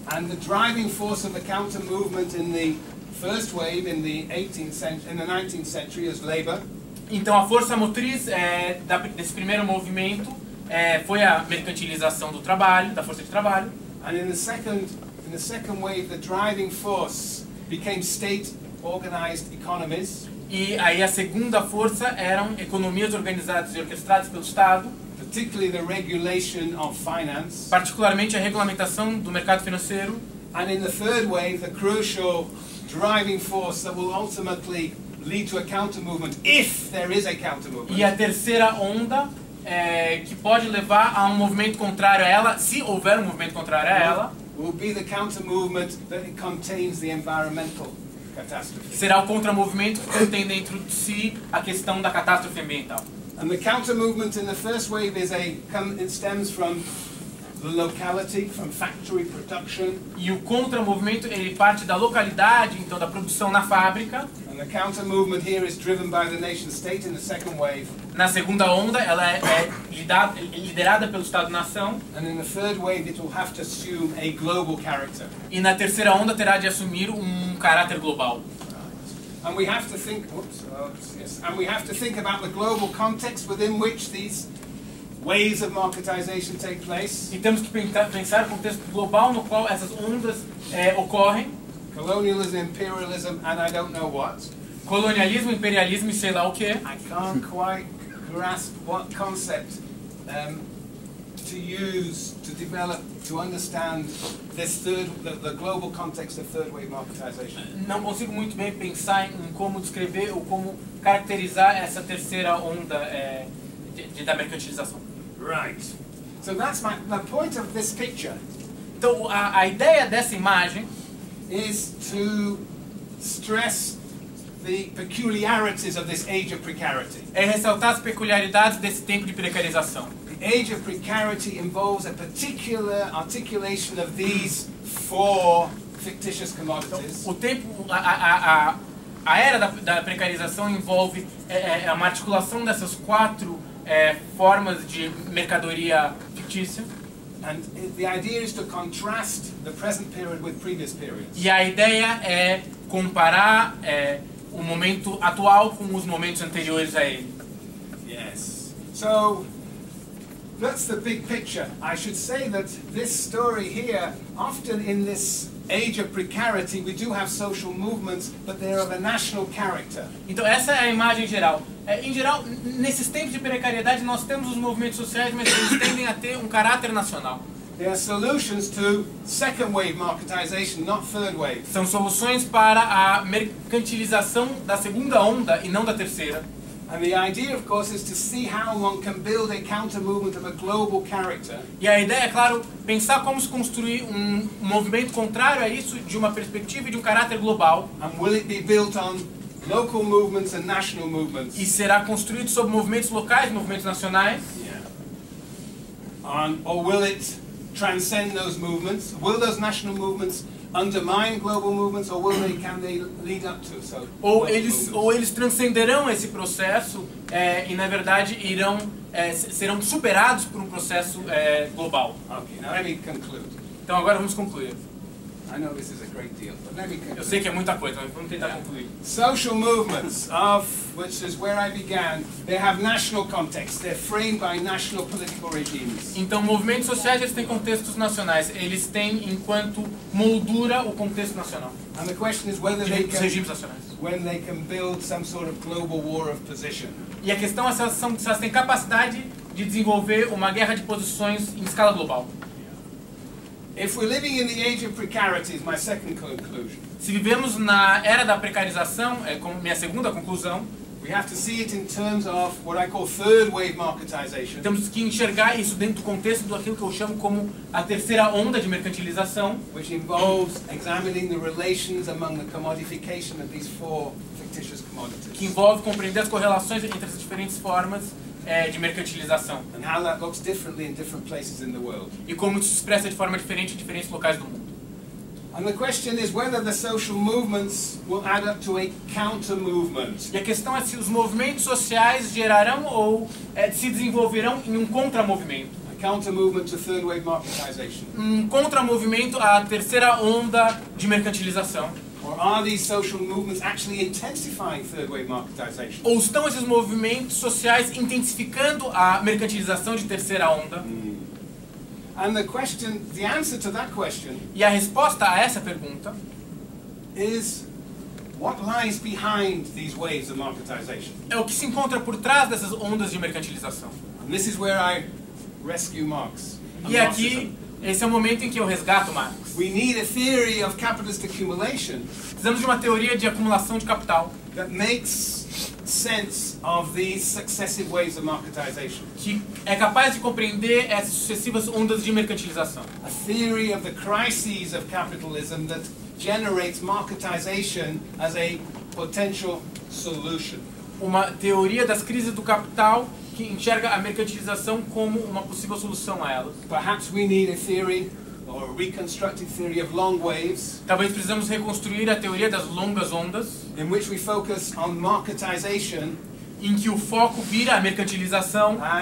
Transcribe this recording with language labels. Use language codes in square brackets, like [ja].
[en] And the driving force of the counter movement in the first wave in the 18th century, in the 19th century, is labor. [pt] Então a força motriz desse primeiro movimento foi a mercantilização do trabalho, da força de trabalho. [en] And in the second wave, the driving force became state-organized economies. [pt] E aí a segunda força eram economias organizadas e orquestradas pelo Estado. [en] Particularly the regulation of finance. [pt] Particularmente a regulamentação do mercado financeiro. [en] And in the third wave, the crucial driving force that will ultimately lead to a counter movement, if there is a counter movement. [pt] E a terceira onda que pode levar a um movimento contrário a ela, se houver um movimento contrário a ela, [en] will be the counter movement that contains the environmental catastrophe. [pt] Será o contramovimento que contém dentro de si a questão da catástrofe ambiental. [en] And the counter movement in the first wave is it stems from the locality, from factory production. [pt] E o contramovimento ele parte da localidade, então da produção na fábrica. [en] And the counter movement here is driven by the nation state in the second wave. [pt] Na segunda onda, ela liderada pelo Estado-nação. [en] And in the third wave, it will have to assume a global character. [pt] E na terceira onda, terá de assumir caráter global. [en] Right. And we have to think. And we have to think about the global context within which these waves of marketization take place. [pt] E temos que pensar no contexto global no qual essas ondas ocorrem. [en] Colonialism, imperialism, and I don't know what. [pt] Colonialismo, imperialismo, sei lá o quê. [en] I can't quite grasp what concept to use to develop to understand this third, the global context of third wave marketization. [pt] Não consigo muito bem pensar em como descrever ou como caracterizar essa terceira onda da mercantilização. [en] Right. So that's the point of this picture. [pt] Então a ideia dessa imagem [en] is to stress the peculiarities of this age of precarity. [pt] É ressaltar as peculiaridades desse tempo de precarização. [en] The age of precarity involves a particular articulation of these four fictitious commodities. [pt] O tempo a era da precarização envolve uma articulação dessas quatro formas de mercadoria fictícia. [en] And the idea is to contrast the present period with previous periods. [pt] E a ideia é comparar o momento atual com os momentos anteriores a ele. [en] Yes. So that's the big picture. I should say that this story here, often in this age of precarity, we do have social movements, but they're of a national character. [pt] Então essa é a imagem geral. Em geral, nesses tempos de precariedade, nós temos os movimentos sociais, mas eles tendem a ter caráter nacional. [en] They are solutions to second wave marketization, not third wave. [pt] São soluções para a mercantilização da segunda onda e não da terceira. [en] And the idea, of course, is to see how one can build a counter movement of a global character. [pt] E a ideia é, claro, pensar como se construir um movimento contrário a isso de uma perspectiva e de um caráter global. [en] And will it be built on local movements and national movements? [pt] E será construído sobre movimentos locais, movimentos nacionais? [en] Yeah. Or will it transcend those movements? Will those national movements undermine global movements, or will they, can they lead up to? So, [pt] ou eles transcenderão esse processo e na verdade irão serão superados por um processo global. [en] Okay, now let me conclude. [pt] Então agora vamos concluir. [en] I know this is a great deal, but let me conclude. [pt] Eu sei que é muita coisa, mas vamos tentar concluir. [en] Social movements, of which is where I began, they have national context. They're framed by national political regimes. [pt] Então, movimentos sociais, eles têm contextos nacionais. Eles têm, enquanto moldura, o contexto nacional. [en] And the question is whether they can, [pt] regimes nacionais. [en] When they can build some sort of global war of position. [pt] E a questão é se elas têm capacidade de desenvolver uma guerra de posições em escala global. [en] If we're living in the age of precarity, is my second conclusion. [pt] Se vivemos na era da precarização, é como minha segunda conclusão. [en] We have to see it in terms of what I call third wave marketization. [pt] Temos que enxergar isso dentro do contexto daquilo que eu chamo como a terceira onda de mercantilização, [en] which involves examining the relations among the commodification of these four fictitious commodities. [pt] Que envolve compreender as correlações entre as diferentes formas de mercantilização. [en] And how that looks differently in different places in the world. [pt] E como isso se expressa de forma diferente em diferentes locais do mundo. [en] And the question is whether the social movements will add up to a counter movement. [pt] E a questão é se os movimentos sociais gerarão ou se desenvolverão em um contramovimento. [en] A counter movement to third wave marketization. [pt] Um contramovimento à terceira onda de mercantilização. [en] Or are these social movements actually intensifying third wave marketization? [pt] Ou estão esses movimentos sociais intensificando a mercantilização de terceira onda? [en] And the question, the answer to that question, [pt] e a resposta a essa pergunta [en] is what lies behind these waves of marketization? [pt] É o que se encontra por trás dessas ondas de mercantilização. [en] And this is where I rescue Marx. [pt] E aqui esse é o momento em que eu resgato Marx. [en] We need a theory of capitalist accumulation. [pt] Precisamos de uma teoria de acumulação de capital. [en] That makes sense of these successive waves of marketization. [pt] Que é capaz de compreender essas sucessivas ondas de mercantilização. [en] A theory of the crises of capitalism that generates marketization as a potential solution. [pt] Uma teoria das crises do capital que enxerga a mercantilização como uma possível solução a elas. [en] Perhaps we need a theory or a reconstructed theory of long waves. [pt] Talvez precisamos reconstruir a teoria das longas ondas. [en] In which we focus on marketization. [pt] Em que o foco vira a mercantilização.